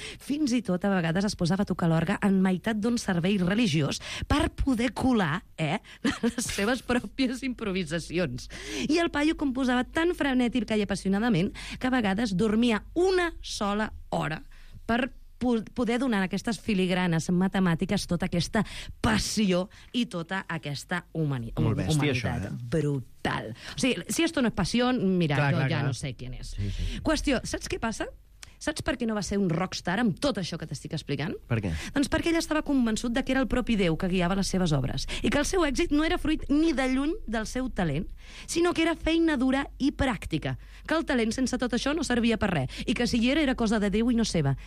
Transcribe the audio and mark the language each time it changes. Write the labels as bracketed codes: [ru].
[ca] Fins i tot, a vegades, es posava a tocar l'orgue en meitat d'un servei religiós per poder colar les seves pròpies improvisacions. I el paio composava tan frenètic i apassionadament que a vegades dormia una sola hora per poder donar aquestes filigranes matemàtiques, tota aquesta passió i tota aquesta humanitat. Molt bèstia, humanitat, això, eh? Brutal. O sigui, [es] si esto no es pasión, [ca] mira, clar, jo clar, ja clar. [es] No sé quién es. [ca] Sí, sí. Qüestió, saps què passa? Saps per què no va ser un rockstar amb tot això que t'estic explicant? Per què? Doncs perquè ell estava convençut de que era el propi Déu que guiava les seves obres i que el seu èxit no era fruit ni de lluny del seu talent, sinó que era feina dura i pràctica, que el talent sense tot això no servia per res i que si hi era cosa de Déu i no seva.